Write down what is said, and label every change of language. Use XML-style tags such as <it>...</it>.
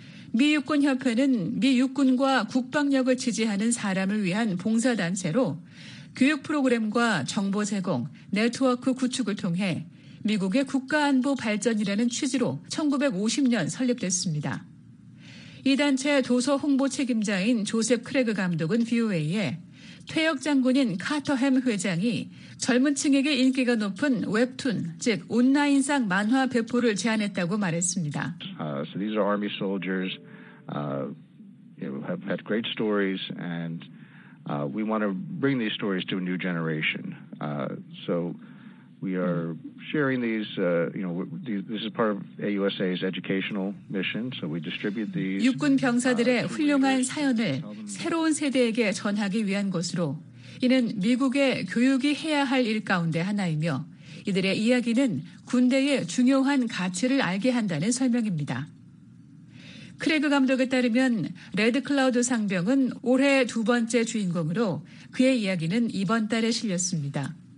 <ko>미 육군협회는 미 육군과 국방력을 지지하는 사람을 위한 봉사단체로 교육 프로그램과 정보 제공, 네트워크 구축을 통해 미국의 국가안보 발전이라는 취지로 1950년 설립됐습니다. 이 단체 도서 홍보 책임자인 조셉 크레그 감독은 VOA에 퇴역 장군인 카터햄 회장이 젊은 층에게 인기가 높은 웹툰, 즉 온라인상 만화 배포를 제안했다고 말했습니다.</ko> <en>So these are army soldiers have had great stories and we want to bring these stories to a new generation. So we are sharing these this is part of AUSA's educational mission. So we distribute these</en> <ko>육군 병사들의 훌륭한 사연을 새로운 세대에게 전하기 위한 것으로 이는 미국의 교육이 해야 할 일 가운데 하나이며 이들의 이야기는 군대의 중요한 가치를 알게 한다는 설명입니다. 크레그 감독에 따르면 레드클라우드 상병은 올해 두 번째 주인공으로 그의 이야기는 이번 달에 실렸습니다.</ko>